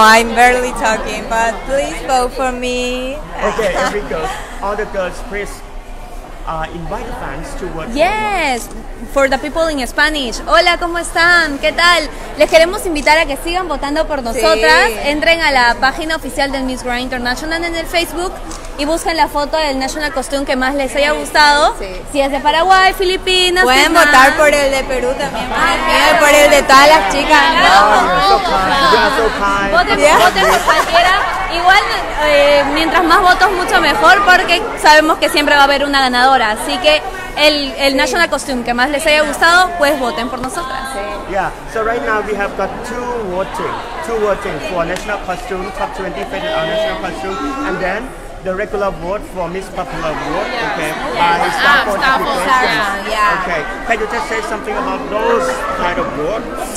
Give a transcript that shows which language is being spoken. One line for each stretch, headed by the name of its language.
English: I'm barely talking, but please vote for me. Okay, here we go. All the girls, please invite fans to work. Yes. For the people in Spanish. Hola, ¿cómo están? ¿Qué tal?
Spanish: Les queremos invitar a que sigan votando por nosotras. Sí. Entren a la página oficial del Miss Grand International en el Facebook y busquen la foto del national costume que más les haya gustado. Sí, sí. Si es de Paraguay, Filipinas, pueden Vietnam. Votar por el de Perú también. Ah, por el de todas las chicas. Claro, no, voten por cualquiera. Igual, mientras más votos, mucho mejor, porque sabemos que siempre va a haber una ganadora. Así que el sí. national costume que más les haya gustado, pues voten por nosotras. Sí.
English: Yeah, so right now we have got two voting for national costume, top 20 for our national costume, and then the regular vote for Miss Popular Award, okay, by Stafford Applications. Yeah. Okay, can you just say something about those kind of awards?